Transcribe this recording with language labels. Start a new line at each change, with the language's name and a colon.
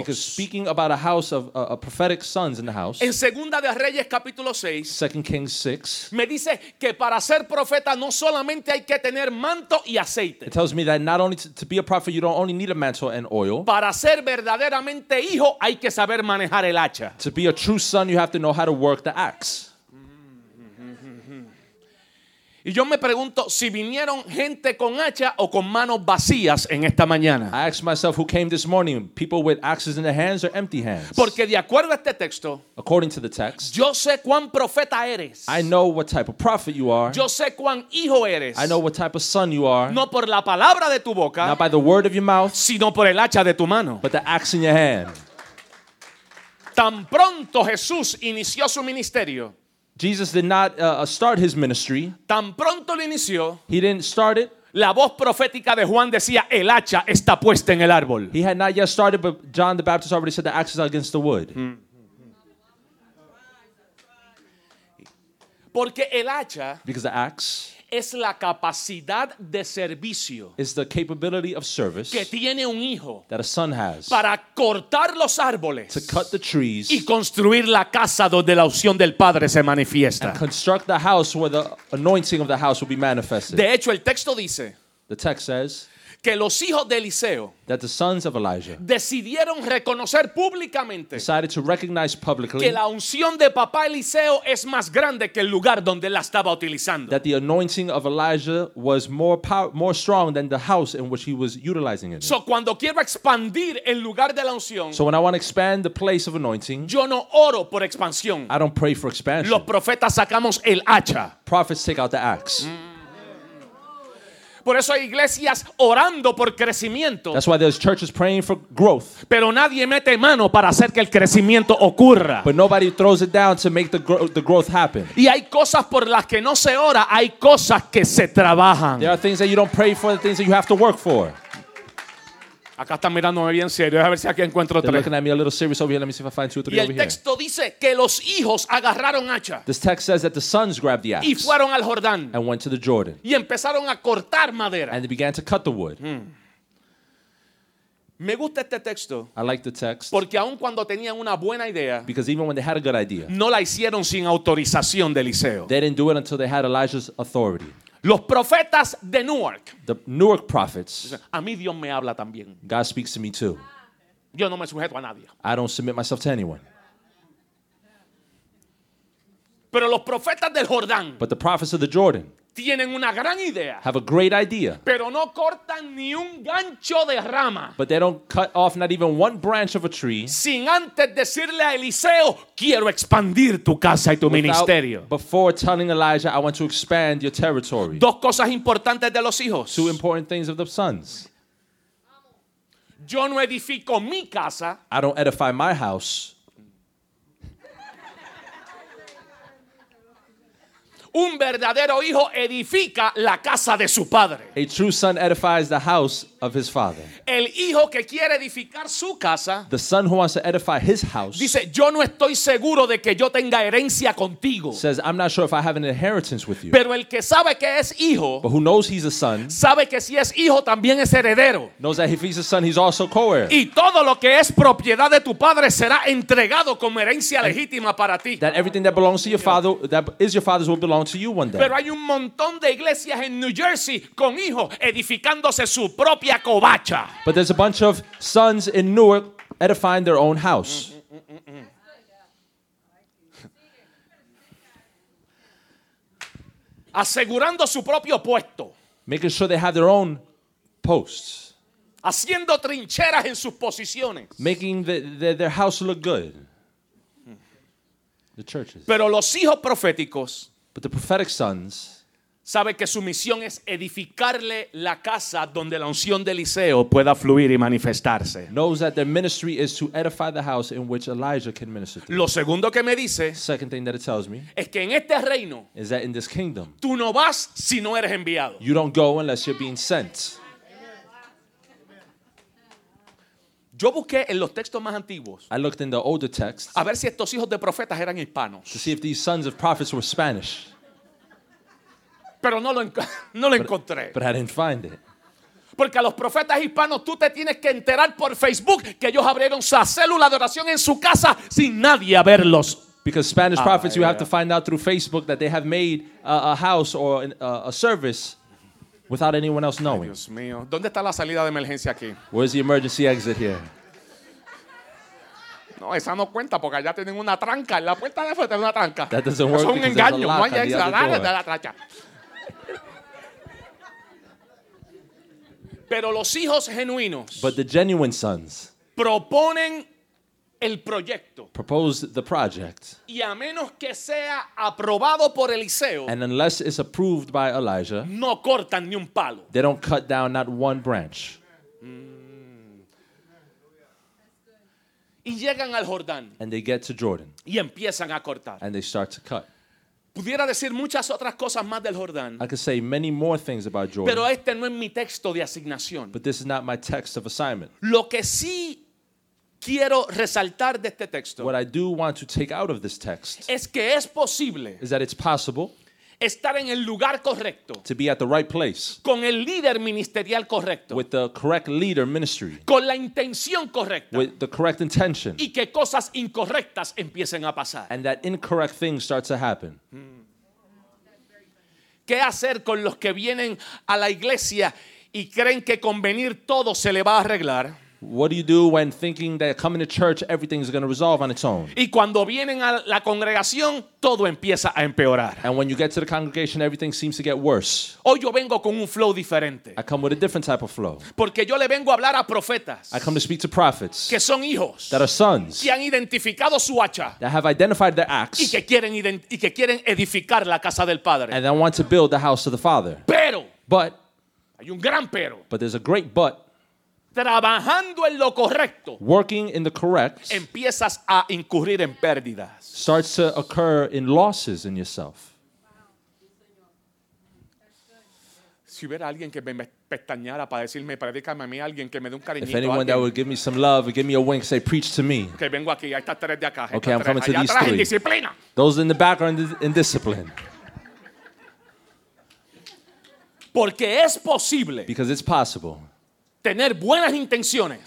English: Because speaking about a house of a prophetic sons in the house.
Spanish: En Segunda de Reyes capítulo 6.
English: 2 Kings 6.
Spanish: Me dice que para ser profeta no solamente hay que tener manto y aceite.
English: It tells me that not only to be a prophet you don't only need a mantle and oil.
Spanish: Para ser verdaderamente hijo hay que saber manejar el hacha.
English: To be a true son you have to know how to work the axe.
Spanish: Y yo me pregunto si vinieron gente con hacha o con manos vacías en esta mañana.
English: I ask myself who came this morning, people with axes in their hands or empty hands.
Spanish: Porque de acuerdo a este texto,
English: according to the text,
Spanish: yo sé cuán profeta eres.
English: I know what type of prophet you are.
Spanish: Yo sé cuán hijo eres.
English: I know what type of son you are.
Spanish: No por la palabra de tu boca,
English: not by the word of your mouth,
Spanish: sino por el hacha de tu mano.
English: But the axe in your hand.
Spanish: Tan pronto Jesús inició su ministerio.
English: Jesus did not start his ministry.
Spanish: Tan pronto lo inició,
English: he didn't start it.
Spanish: La voz profética de Juan decía, el hacha está puesta en el árbol.
English: He had not yet started, but John the Baptist already said the axe is against the wood.
Spanish: Porque el hacha,
English: because the axe,
Spanish: es la capacidad de servicio,
English: is the capability of service,
Spanish: que tiene un hijo,
English: that a son has,
Spanish: para cortar los árboles,
English: to cut the trees,
Spanish: y construir la casa donde la unción del Padre se manifiesta,
English: and construct the house where the anointing of the house will be manifested.
Spanish: De hecho, el texto dice,
English: the text says,
Spanish: que los hijos de Eliseo,
English: that the sons of Elijah,
Spanish: decidieron reconocer públicamente,
English: decided to recognize publicly,
Spanish: que la unción de papá Eliseo es más grande que el lugar donde la estaba utilizando,
English: that the anointing of Elijah was more power, more strong than the house in which he was utilizing it.
Spanish: So cuando quiero expandir el lugar de la unción,
English: so when I want to expand the place of anointing,
Spanish: yo no oro por expansión,
English: I don't pray for expansion.
Spanish: Los profetas sacamos el hacha.
English: Prophets take out the axe.
Spanish: Por eso hay iglesias orando por crecimiento.
English: That's why there's churches praying for growth.
Spanish: Pero nadie mete mano para hacer que el crecimiento ocurra.
English: But nobody throws it down to make the growth happen.
Spanish: Y hay cosas por las que no se ora, hay cosas que se trabajan.
English: There are things that you don't pray for, the things that you have to work for.
Spanish: Acá están mirándome bien serio. A ver si aquí encuentro otra.
English: They're looking at me a little serious over here. Let me see if I find two or three over here.
Spanish: Y el texto dice que los hijos agarraron hacha.
English: This text says that the sons grabbed the axe.
Spanish: Y fueron al Jordán.
English: And went to the Jordan.
Spanish: Y empezaron a cortar madera.
English: And they began to cut the wood.
Spanish: Me gusta este texto.
English: I like the text.
Spanish: Porque aun cuando tenían una buena idea.
English: Because even when they had a good idea.
Spanish: No la hicieron sin autorización de Eliseo.
English: They didn't do it until they had Elijah's authority.
Spanish: Los profetas de Newark.
English: The Newark prophets.
Spanish: A mí Dios me habla también.
English: God speaks to me too.
Spanish: Yo no me sujeto a nadie.
English: I don't submit myself to anyone.
Spanish: Pero los profetas del Jordán.
English: But the prophets of the Jordan.
Spanish: Tienen una gran idea.
English: Have a great idea.
Spanish: Pero no cortan ni un gancho de rama.
English: But they don't cut off not even one branch of a tree.
Spanish: Sin antes decirle a Eliseo, quiero expandir tu casa y tu ministerio.
English: Before telling Elijah, I want to expand your territory.
Spanish: Dos cosas importantes de los hijos.
English: Two important things of the sons.
Spanish: Yo no edifico mi casa.
English: I don't edify my house.
Spanish: Un verdadero hijo edifica la casa de su padre.
English: A true son edifies the house of his father.
Spanish: El hijo que quiere edificar su casa,
English: the son who wants to edify his house,
Spanish: dice, yo no estoy seguro de que yo tenga herencia contigo.
English: Says, I'm not sure if I have an inheritance with you.
Spanish: Pero el que sabe que es hijo,
English: but who knows he's a son,
Spanish: sabe que si es hijo también es heredero.
English: Knows that if he's a son, he's also co-heir.
Spanish: Y todo lo que es propiedad de tu padre será entregado como herencia legítima para ti.
English: That everything that belongs to your father, that is your father's, will belong to you one day.
Spanish: Pero hay un montón de iglesias en New Jersey con hijos edificándose su propia covacha.
English: But there's a bunch of sons in Newark edifying their own house.
Spanish: Asegurando su propio puesto.
English: Making sure they have their own posts.
Spanish: Haciendo trincheras en sus posiciones.
English: Making their house look good. The churches.
Spanish: Pero los hijos proféticos,
English: but the prophetic sons,
Spanish: sabe que su misión es edificarle la casa donde la unción de Eliseo pueda fluir y manifestarse.
English: Knows that their ministry is to edify the house in which Elijah can minister to.
Spanish: Lo segundo que me dice,
English: second thing that it tells me,
Spanish: es que en este reino,
English: is that in this kingdom,
Spanish: tú no vas si no eres enviado.
English: You don't go unless you're being sent.
Spanish: Yo busqué en los textos más antiguos.
English: I looked in the older texts.
Spanish: A ver si estos hijos de profetas eran hispanos.
English: To see if these sons of prophets were Spanish.
Spanish: Pero no lo encontré.
English: But I didn't find it.
Spanish: Porque a los profetas hispanos tú te tienes que enterar por Facebook que ellos abrieron su célula de oración en su casa sin nadie a verlos.
English: Because Spanish prophets, you have to find out through Facebook that they have made a house or a service without anyone else knowing.
Spanish: Ay, Dios mío. ¿Dónde está la salida de emergencia aquí?
English: Where's the emergency exit here?
Spanish: No, esa no cuenta porque allá tienen una tranca. En la puerta de afuera tienen una tranca.
English: That doesn't work.
Spanish: Es un engaño. No hay exit. Dale la tranca. Pero los hijos genuinos,
English: but the genuine sons,
Spanish: proponen el proyecto,
English: propose the project,
Spanish: y a menos que sea aprobado por Eliseo,
English: and unless it's approved by Elijah,
Spanish: no cortan ni un palo.
English: They don't cut down not one branch.
Spanish: Y llegan al Jordán,
English: and they get to Jordan,
Spanish: y empiezan a cortar,
English: and they start to cut.
Spanish: Pudiera decir muchas otras cosas más del Jordán.
English: I could say many more things about Jordan.
Spanish: Pero este no es mi texto de asignación.
English: But this is not my text of assignment.
Spanish: Lo que sí quiero resaltar de este texto,
English: what I do want to take out of this text,
Spanish: es que es posible,
English: is that it's possible,
Spanish: estar en el lugar correcto,
English: to be at the right place,
Spanish: con el líder ministerial correcto,
English: with the correct leader ministry,
Spanish: con la intención correcta,
English: with the correct intention,
Spanish: y que cosas incorrectas empiecen a pasar,
English: and that incorrect things start to happen.
Spanish: ¿Qué hacer con los que vienen a la iglesia y creen que con venir todo se le va a arreglar?
English: What do you do when thinking that coming to church, everything is going to resolve on its own?
Spanish: Y cuando vienen a la congregación, todo empieza a empeorar.
English: And when you get to the congregation, everything seems to get worse.
Spanish: Hoy yo vengo con un flow diferente.
English: I come with a different type of flow.
Spanish: Porque yo le vengo a hablar a profetas.
English: I come to speak to prophets.
Spanish: Que son hijos.
English: That are sons.
Spanish: Que han identificado su hacha.
English: That have identified their axe.
Spanish: Y que quieren edificar la casa del Padre.
English: And they want to build the house of the Father.
Spanish: Pero.
English: But.
Spanish: Hay un gran pero.
English: But there's a great but.
Spanish: Trabajando en lo correcto,
English: working in the correct,
Spanish: empiezas a incurrir en pérdidas,
English: starts to occur in losses in yourself.
Spanish: Si hubiera alguien que me pestañara para decirme, predícame a mí, alguien que me dé un cariñito.
English: If anyone that would give me some love, give me a wink, say, preach to me.
Spanish: Que vengo aquí, hay tres de acá.
English: Okay, I'm coming to these three.
Spanish: Disciplina.
English: Those in the back are in discipline.
Spanish: Porque es posible.
English: Because it's possible.
Spanish: Tener buenas intenciones.